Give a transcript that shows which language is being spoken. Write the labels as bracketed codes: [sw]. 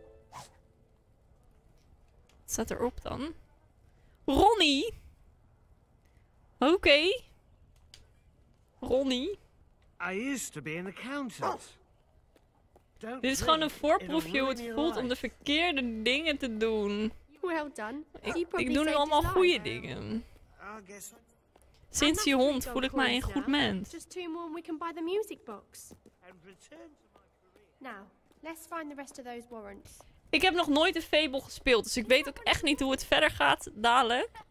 [nl] Wat staat erop dan? Ronnie! Oké. Ronnie. [en] I used to be an accountant. [nl] Dit is gewoon een voorproefje hoe het voelt om de verkeerde dingen te doen. [en] Well done. [nl] Ik doe nu allemaal goede dingen. Sinds je hond voel ik mij een goed mens. [en] Just two more and we can buy the music box. Now, let's find the rest of those warrants. [nl] Ik heb nog nooit een Fable gespeeld, dus ik weet ook echt niet hoe het verder gaat dalen.